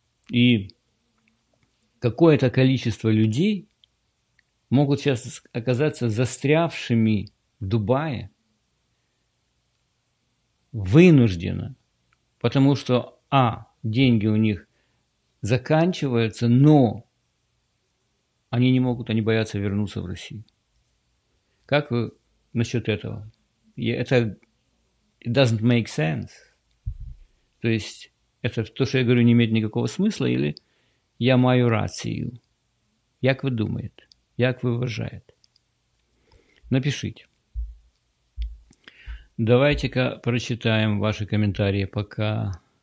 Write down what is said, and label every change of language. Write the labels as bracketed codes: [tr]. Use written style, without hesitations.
[ru] И какое-то количество людей могут сейчас оказаться застрявшими в Дубае вынужденно, потому что, деньги у них заканчиваются, но они не могут, они боятся вернуться в Россию. Как вы насчет этого? Это [en] it doesn't make sense. [ru] То есть это то, что я говорю, не имеет никакого смысла, или [uk] я маю рацию? [ru] Как вы думаете? Как вы уважаете? Напишите. Давайте-ка прочитаем ваши комментарии пока.